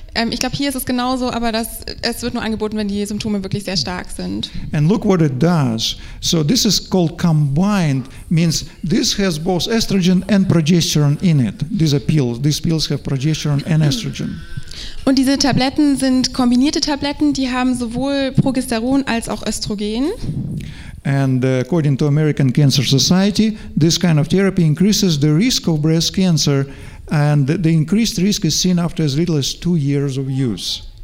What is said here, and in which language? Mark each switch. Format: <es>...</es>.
<de>Ich glaube, hier ist es genauso, aber es wird nur angeboten, wenn die Symptome wirklich sehr stark sind.</de> <en>And look what it does. So this is called combined, means this has both estrogen and progesterone in it. These pills have progesterone and estrogen.</en> <de>Und diese Tabletten sind kombinierte Tabletten, die haben sowohl Progesteron als auch Östrogen.</de> <en>And according to American Cancer Society, this kind of therapy increases the risk of breast cancer, and the increased risk is seen after as little as 2 years of use.</en>